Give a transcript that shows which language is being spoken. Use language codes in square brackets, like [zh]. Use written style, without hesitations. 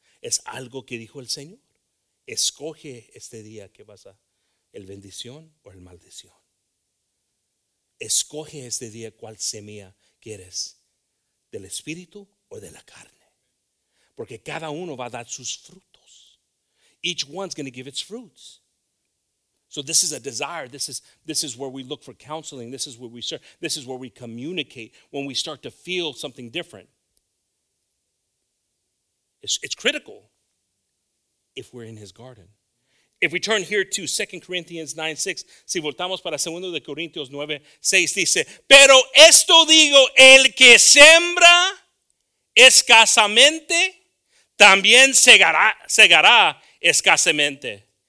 [es] Es algo que dijo el Señor. Escoge este día que vas a, el bendición o el maldición. Escoge este día cuál semilla quieres, del espíritu o de la carne. Porque cada uno va a dar sus frutos. [en] Each one's going to give its fruits. So this is a desire. This is where we look for counseling. This is where we serve. This is where we communicate when we start to feel something different. It's critical if we're in his garden. If we turn here to 2 Corinthians 9:6, [es] si voltamos para 2 Corintios 9:6, dice, pero esto digo, el que sembra escasamente, también segará escasamente.